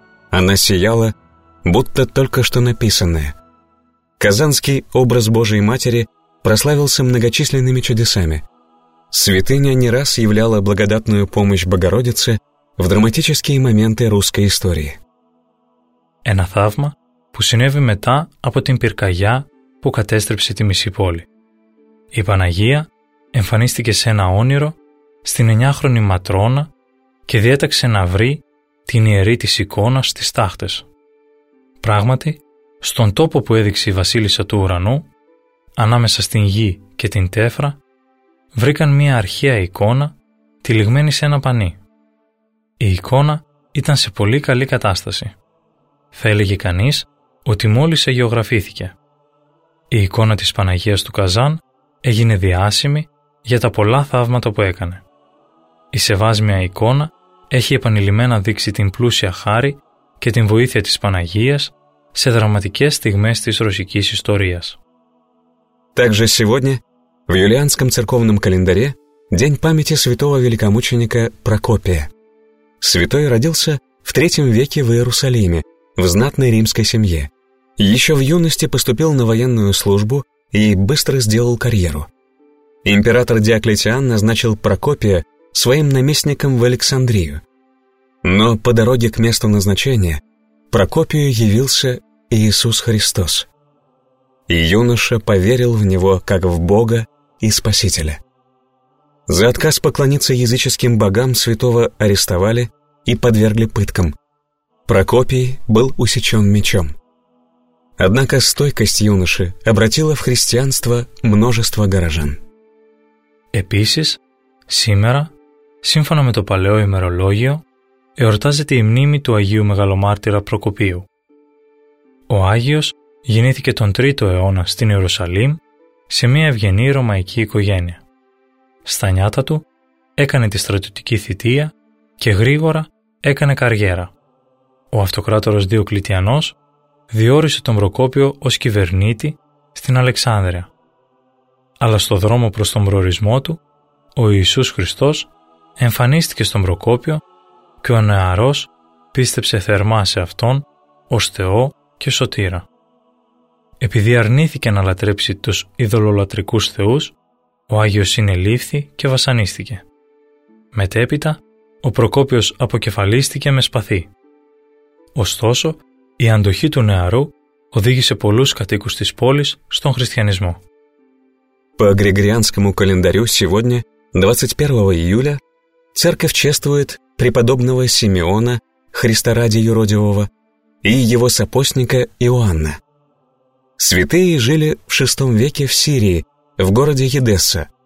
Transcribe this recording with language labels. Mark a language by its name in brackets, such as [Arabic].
[Russian] Она сияла, будто только что написанная. Казанский образ Божией Матери прославился многочисленными чудесами. Святыня не раз являла благодатную помощь Богородице в драматические моменты русской истории. [Greek] Ένα θαύμα που συνέβη μετά από την πυρκαγιά που κατέστρεψε τη μισή πόλη. Η Παναγία εμφανίστηκε σε ένα όνειρο στην 9χρονη Ματρόνα και διέταξε να βρει την ιερή της εικόνα στις τάχτες. Πράγματι, στον τόπο που έδειξε η Βασίλισσα του Ουρανού, ανάμεσα στην γη και την τέφρα, βρήκαν μία αρχαία εικόνα τυλιγμένη σε ένα πανί. Η εικόνα ήταν σε πολύ καλή κατάσταση. Θα έλεγε κανείς ότι μόλις αγιογραφήθηκε. Η εικόνα της Παναγίας του Καζάν έγινε διάσημη για τα πολλά θαύματα που έκανε. Η σεβάσμια εικόνα έχει επανειλημμένα δείξει την πλούσια χάρη και την βοήθεια της Παναγίας σε δραματικές στιγμές της ρωσικής ιστορίας. [Russian] Также сегодня, в юлианском церковном календаре, день памяти святого великомученика Прокопия. Святой родился в III веке в Иерусалиме, в знатной римской семье. Еще в юности поступил на военную службу и быстро сделал карьеру. Император Диоклетиан назначил Прокопия своим наместником в Александрию. Но по дороге к месту назначения Прокопию явился Иисус Христос. И юноша поверил в него как в Бога и Спасителя. За отказ поклониться языческим богам святого арестовали и подвергли пыткам. Прокопий был усечен мечом. Однако стойкость юноши обратила в христианство множество горожан. [Greek] Επίσης, σήμερα, σύμφωνα με το παλαιό ημερολόγιο, εορτάζεται η μνήμη του Αγίου Μεγαλομάρτυρα Προκοπίου. Ο Άγιος γεννήθηκε τον 3ο αιώνα στην Ιερουσαλήμ σε μια ευγενή ρωμαϊκή οικογένεια. Στα νιάτα του έκανε τη στρατιωτική θητεία και γρήγορα έκανε καριέρα. Ο αυτοκράτορος Διοκλητιανός διόρισε τον Προκόπιο ως κυβερνήτη στην Αλεξάνδρεια. Αλλά στο δρόμο προς τον προορισμό του, ο Ιησούς Χριστός εμφανίστηκε στον Προκόπιο και ο νεαρός πίστεψε θερμά σε Αυτόν ως Θεό και Σωτήρα. Επειδή αρνήθηκε να λατρέψει τους ειδωλολατρικούς θεούς, ο Άγιος συνελήφθη και βασανίστηκε. Μετέπειτα, ο Προκόπιος αποκεφαλίστηκε με σπαθί. Ωστόσο, η αντοχή του νεαρού οδήγησε πολλούς κατοίκους της πόλης στον χριστιανισμό. [Russian] По Григорианскому календарю сегодня, 21 июля, церковь чествует преподобного Симеона, Христа ради юродивого, и его сопостника Иоанна. Святые жили в VI веке в Сирии, в городе Едесса.